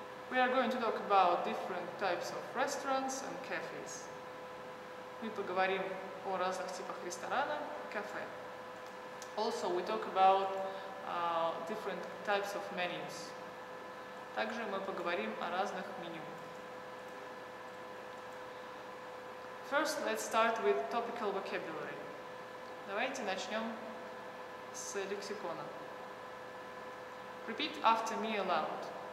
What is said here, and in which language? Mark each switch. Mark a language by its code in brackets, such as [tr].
[en] We are going to talk about different types of restaurants and cafes. [ru] Мы поговорим о разных типах ресторана и кафе. [en] Also, we talk about different types of menus. [ru] Также мы поговорим о разных меню. [en] First, let's start with topical vocabulary. [ru] Давайте начнем с лексикона. [en] Repeat after me aloud.